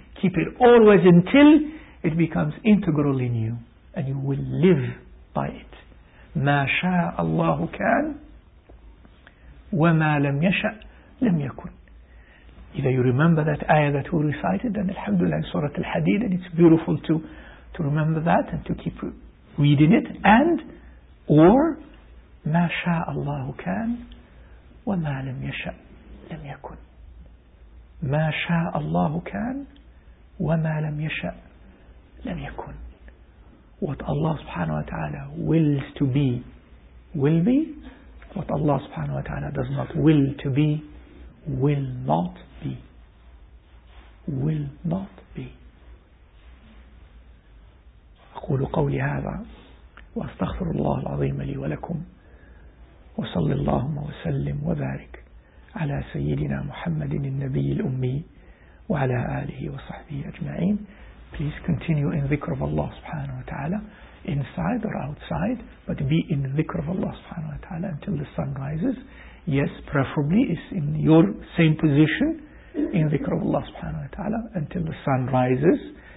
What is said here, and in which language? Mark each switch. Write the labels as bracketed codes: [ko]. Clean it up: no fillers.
[en] Keep it always until it becomes integral in you, and you will live by it. [ar] مَا شَاءَ اللَّهُ كَانْ وَمَا لَمْ يَشَأْ لَمْ يَكُنْ. [en] If you remember that ayah that we recited, then alhamdulillah, Surah Al-Hadid, and it's beautiful to remember that and to keep reading it. And, or, [ar] مَا شَاءَ اللَّهُ كَانْ وَمَا لَمْ يَشَأْ لم يكن. ما شاء الله كان وما لم يشأ لم يكن. [en] What Allah subhanahu wa ta'ala wills to be, will be. What Allah subhanahu wa ta'ala does not will to be, will not be. Will not be. [ar] أقول قولي هذا وأستغفر الله العظيم لي ولكم وصلي اللهم وسلم وبارك على سيدنا محمد النبي الأمي وعلى آله وصحبه أجمعين. [en] Please continue in dhikr of Allah subhanahu wa ta'ala, inside or outside, but be in dhikr of Allah subhanahu wa ta'ala until the sun rises. Yes, preferably is in your same position in dhikr of Allah subhanahu wa ta'ala until the sun rises.